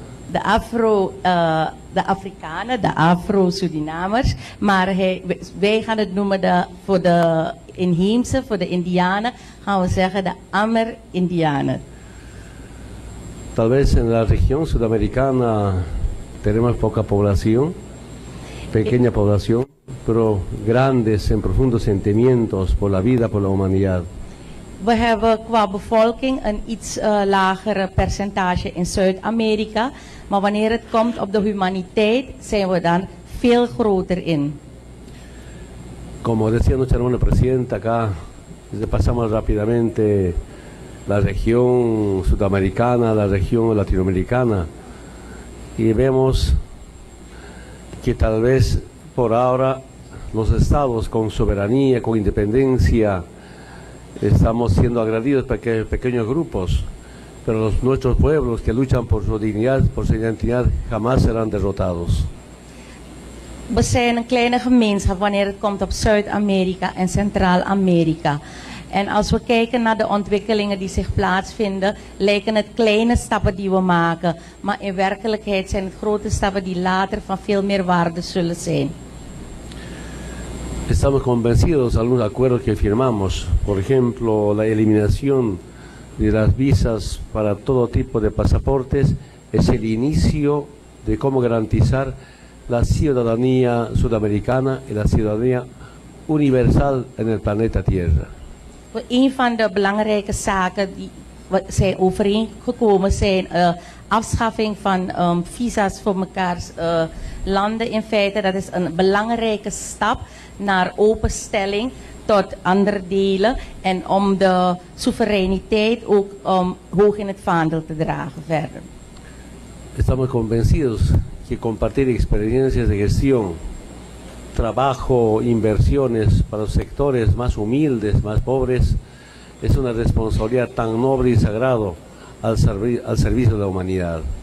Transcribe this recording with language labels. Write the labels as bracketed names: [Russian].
[Dutch] De Afro, de Afrikanen, de Afro-Surinamers, maar wij gaan het noemen de, voor de inheemse, voor de Indianen, gaan we zeggen de Amer-Indianen. [Spanish] Tal vez en la región sudamericana tenemos poca población, pequeña población, pero grandes en profundos sentimientos por la vida, por la humanidad. [Dutch] We hebben qua bevolking een iets lagere percentage in Zuid-Amerika, maar wanneer het komt op de humaniteit, zijn we dan veel groter in. [Spanish] Como decía nuestra hermana presidenta acá, pasamos rápidamente la región sudamericana, la región latinoamericana, y vemos que tal vez por ahora los estados con soberanía, con independencia, estamos siendo agredidos por pequeños grupos, pero nuestros pueblos que luchan por su dignidad, por su identidad, jamás serán derrotados. [Dutch] We zijn een kleine gemeenschap wanneer het komt op Zuid-Amerika en Centraal-Amerika. En als we kijken naar de ontwikkelingen die zich plaatsvinden, lijken het kleine stappen die we maken, maar in werkelijkheid zijn het grote stappen die later van veel meer waarde zullen zijn. [Spanish] Estamos convencidos de algunos acuerdos que firmamos, por ejemplo, la eliminación de las visas para todo tipo de pasaportes es el inicio de cómo garantizar la ciudadanía sudamericana y la ciudadanía universal en el planeta Tierra. [Dutch] Een van de belangrijke zaken die zijn overeengekomen zijn afschaffing van visas voor mekaars landen in feite. Dat is een belangrijke stap naar openstelling tot andere delen en om de soevereiniteit ook hoog in het vaandel te dragen verder. [Spanish] Estamos convencidos que compartir experiencias de gestión, trabajo, inversiones para los sectores más humildes, más pobres, es una responsabilidad tan noble y sagrado al servicio de la humanidad.